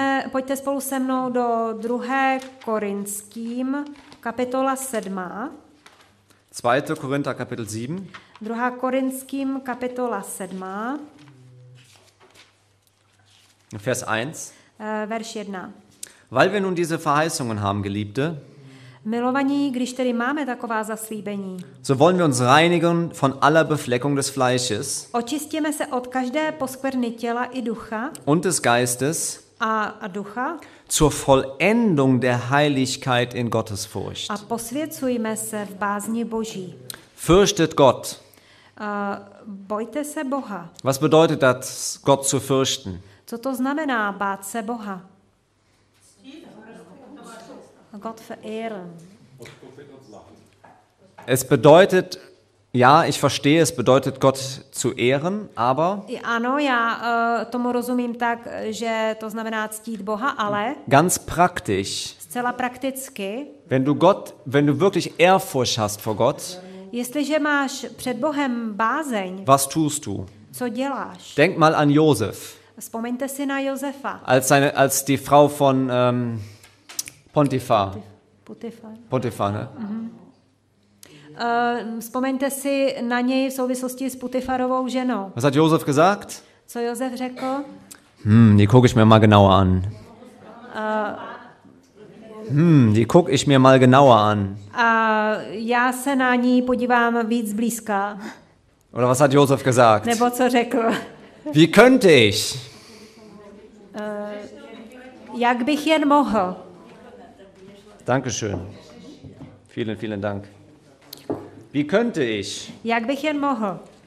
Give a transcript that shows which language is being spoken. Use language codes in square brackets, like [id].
[cs] Pojďte spolu se mnou do 2. Korinským, kapitola 7. [de] 2. Korinta, kapitel 7. [cs] 2. Korinským, kapitola 7. [de] Vers 1. Vers 1. Weil wir nun diese Verheißungen haben, Geliebte, [cs] milovaní, když tedy máme taková zaslíbení, [de] so wollen wir uns reinigen von aller Befleckung des Fleisches, [cs] očistíme se od každé poskvrny těla i ducha [de] und des Geistes [cs] a ducha, [de] zur Vollendung der Heiligkeit in Gottes Furcht. [cs] A posvěcujme se v bázni Boží. [de] Fürchtet Gott. [cs] Bojte se Boha. [de] Was bedeutet das, Gott zu fürchten? [cs] Co to znamená bát se Boha? [de] Gott verehren. Es bedeutet, ja, ich verstehe, es bedeutet Gott zu ehren, aber [cs] ano, já tomu rozumím tak, že to znamená ctít Boha, ale [de] ganz praktisch. [cs] Zcela prakticky. [de] Wenn du wirklich Ehrfurcht hast vor Gott, [cs] jestliže máš před Bohem bázeň, [de] was tust du? [cs] Co děláš? [de] Denk mal an Josef. [cs] Vzpomeňte si na Josefa. [de] Als die Frau von Pontifar. [cs] Potifar, ne? Mm-hmm. Vzpomeňte si na něj v souvislosti s Potifarovou ženou. [de] Was hat Josef gesagt? [cs] Co Josef řekl? [de] Die gucke ich mir mal genauer an. Die gucke ich mir mal genauer an. [cs] Já se na ní podívám víc zblízka. [de] Oder was hat Josef gesagt? [cs] Nebo co řekl? [de] Wie könnte ich? [cs] Jak bych jen mohl? [de] Dankeschön. Vielen, vielen Dank. Wie könnte ich? [cs] Jak bych jen mohl?